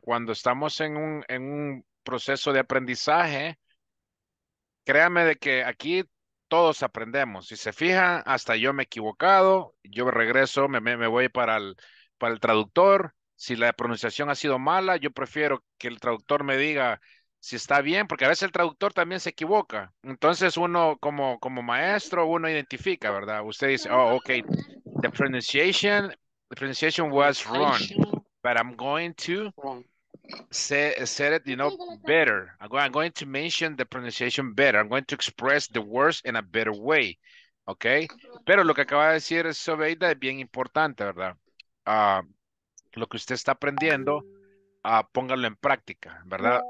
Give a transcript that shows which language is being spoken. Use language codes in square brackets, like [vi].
[es] Cuando estamos en un proceso de aprendizaje, créame de que aquí todos aprendemos, si se fijan, hasta yo me he equivocado, yo regreso, me voy para el traductor, si la pronunciación ha sido mala, yo prefiero que el traductor me diga si está bien, porque a veces el traductor también se equivoca. Entonces uno como maestro, uno identifica, ¿verdad? Usted dice, [en] oh, okay, the pronunciation was wrong, but I'm going to say it, you know, better. I'm going to mention the pronunciation better. I'm going to express the words in a better way, okay? [es] Pero lo que acaba de decir Sobeida es bien importante, ¿verdad? Lo que usted está aprendiendo, póngalo en práctica, ¿verdad?